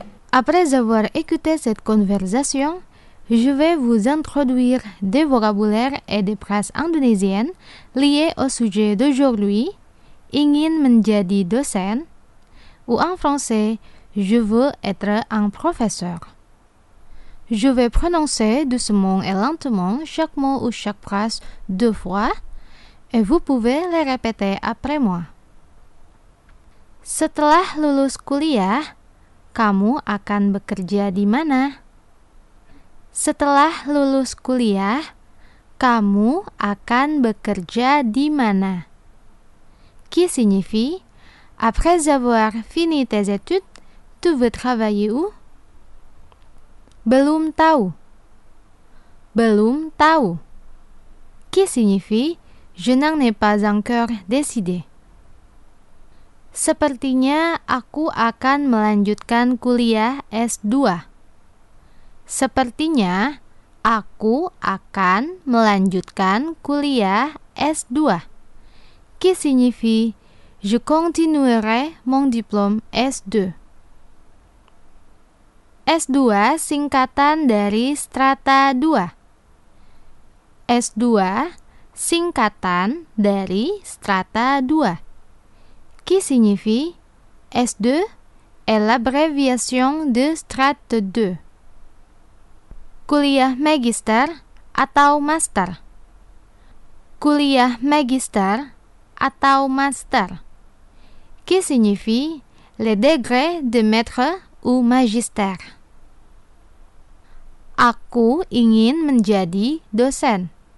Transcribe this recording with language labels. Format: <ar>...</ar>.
<fr>Après avoir écouté cette conversation, je vais vous introduire des vocabulaires et des phrases indonésiennes liées au sujet d'aujourd'hui,</fr> <id>ingin menjadi dosen,</id> <fr>ou en français, je veux être un professeur. Je vais prononcer doucement et lentement chaque mot ou chaque phrase deux fois, et vous pouvez les répéter après moi.</fr> <id>Setelah lulus kuliah, kamu akan bekerja di mana? Setelah lulus kuliah, kamu akan bekerja di mana?</id> <fr>Qui signifie, après avoir fini tes études, tu veux travailler où?</fr> <id>Belum tahu. Belum tahu.</id> <fr>Qui signifie, je n'en ai pas encore décidé.</fr> <id>Sepertinya aku akan melanjutkan kuliah S2. Sepertinya aku akan melanjutkan kuliah S2.</id> <fr>Qui signifie je continuerai mon diplôme S2.</fr> <id>S2 singkatan dari strata 2. S2 singkatan dari strata 2.</id> <fr>Qui signifie S2 est l'abréviation de strate 2.</fr> <id>Kuliah magister atau master. Kuliah magister atau master.</id> <fr>Qui signifie les degrés de maître ou magister.</fr> <id>Aku ingin menjadi dosen.</id>